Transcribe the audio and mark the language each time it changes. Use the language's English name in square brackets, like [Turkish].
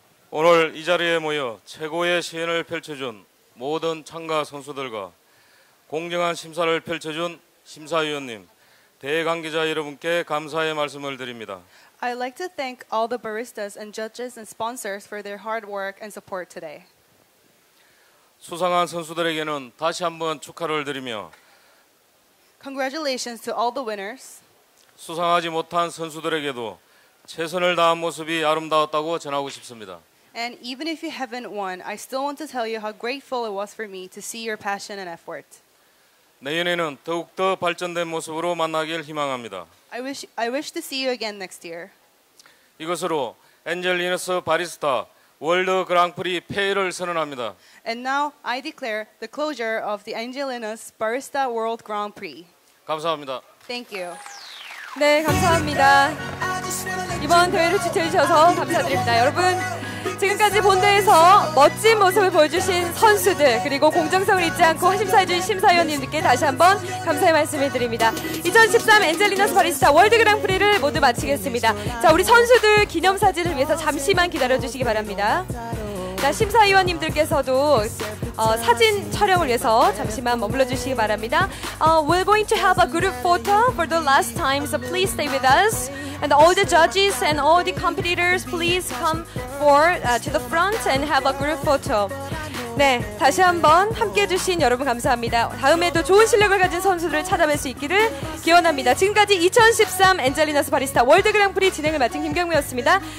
[Korean] 오늘 이 자리에 모여 최고의 시연을 펼쳐준 모든 참가 선수들과 공정한 심사를 펼쳐준 심사위원님, 대관계자 여러분께 감사의 말씀을 드립니다. [English] I'd like to thank all the baristas and judges and sponsors for their hard work and support today. [Korean] 수상한 선수들에게는 다시 한번 축하를 드리며 [English] Congratulations to all the winners. [Korean] 수상하지 못한 선수들에게도 최선을 다한 모습이 아름다웠다고 전하고 싶습니다. [English] And even if you haven't won, I still want to tell you how grateful it was for me to see your passion and effort. [Korean] 내년에는 더욱더 발전된 모습으로 만나길 희망합니다. [English] I wish to see you again next year. [Korean] 이것으로 엔젤리너스 바리스타 월드 그랑프리 폐회를 선언합니다. [English] And now I declare the closure of the Angelinos Barista World Grand Prix. [Korean] 감사합니다. [English] Thank you. [Korean] 네, 감사합니다. 이번 대회를 주최해주셔서 감사드립니다. 여러분, 지금까지 본대에서 멋진 모습을 보여주신 선수들, 그리고 공정성을 잊지 않고 심사해주신 심사위원님들께 다시 한번 감사의 말씀을 드립니다. 2013 엔젤리너스 바리스타 월드 그랑프리를 모두 마치겠습니다. 자, 우리 선수들 기념사진을 위해서 잠시만 기다려주시기 바랍니다. 자, 심사위원님들께서도 사진 촬영을 위해서 잠시만 머물러 주시기 바랍니다. [English] We're going to have a group photo for the last time, so please stay with us. And all the judges and all the competitors, please come to the front and have a group photo. [Korean] 네, 다시 한번 함께해 주신 여러분 감사합니다. 다음에도 좋은 실력을 가진 선수들을 찾아뵐 수 있기를 기원합니다. 지금까지 2013 엔젤리너스 바리스타 월드 그랑프리 진행을 맡은 김경미였습니다.